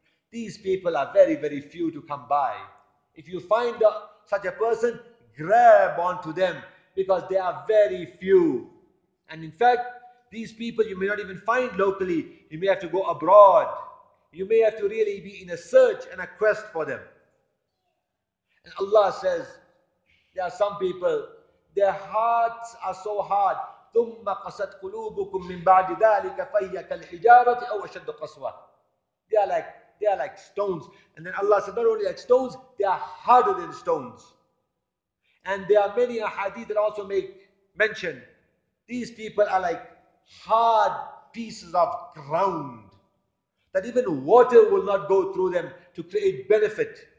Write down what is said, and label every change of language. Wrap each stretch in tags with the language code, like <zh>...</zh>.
<en>These people are very, very few to come by. If you find such a person, grab onto them, because they are very few. And in fact, these people you may not even find locally. You may have to go abroad. You may have to really be in a search and a quest for them. And Allah says, there are some people, their hearts are so hard.</en> <ar>ثُمَّ قَسَتْ قُلُوبُكُمْ مِنْ بَعْدِ ذَٰلِكَ فَيَّ كَالْحِجَارَةِ أَوْ أَشَدُّ قَسْوَةِ</ar> <en>They are like stones. And then Allah said, not only like stones, they are harder than stones. And there are many hadith that also make mention. These people are like hard pieces of ground that even water will not go through them to create benefit.</en>